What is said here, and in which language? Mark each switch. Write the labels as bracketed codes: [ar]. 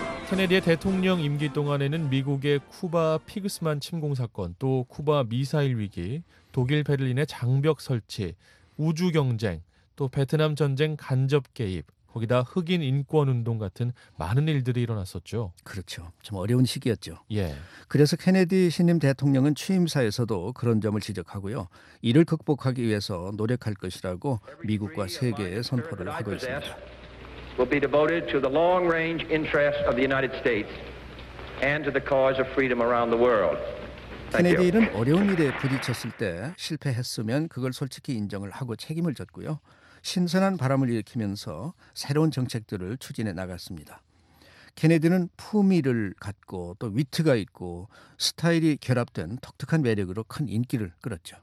[ko] 케네디의 대통령 임기 동안에는 미국의 쿠바 피그스만 침공 사건, 또 쿠바 미사일 위기, 독일 베를린의 장벽 설치, 우주 경쟁, 또 베트남 전쟁 간접 개입, 거기다 흑인 인권 운동 같은 많은 일들이 일어났었죠. 그렇죠. 참 어려운 시기였죠. 예. 그래서 케네디 신임 대통령은 취임사에서도 그런 점을 지적하고요. 이를 극복하기 위해서 노력할 것이라고 미국과 세계에 선포를 하고 있습니다. [en] Will be devoted to the long-range interests of the United States and to the cause of freedom around the world. [ko] 케네디는 어려운 일에 부딪혔을 때 실패했으면 그걸 솔직히 인정을 하고 책임을 졌고요. 신선한 바람을 일으키면서 새로운 정책들을 추진해 나갔습니다. 케네디는 품위를 갖고 또 위트가 있고 스타일이 결합된 독특한 매력으로 큰 인기를 끌었죠.